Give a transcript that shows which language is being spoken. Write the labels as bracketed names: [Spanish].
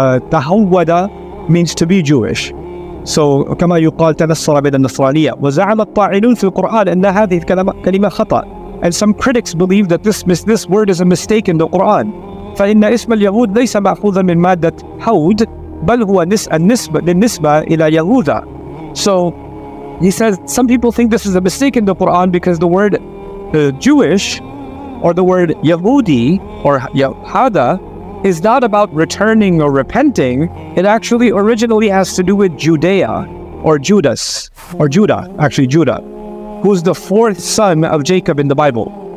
[English] تَهَوَّدَ means to be Jewish. [Arabic] So كما يقال تنصر بين النصرانية وزعم الطاعنون في القرآن أن هذه كلمة خطأ. [English] And some critics believe that this word is a mistake in the Quran. [Arabic] فإن اسم اليهود ليس مأخوذا من مادة حود بل هو النسبة للنسبة إلى يهودا. [English] So he says some people think this is a mistake in the Quran because the word Jewish or the word يهودي or هذا is not about returning or repenting. It actually originally has to do with Judea or Judas or Judah, actually Judah, who's the fourth son of Jacob in the Bible.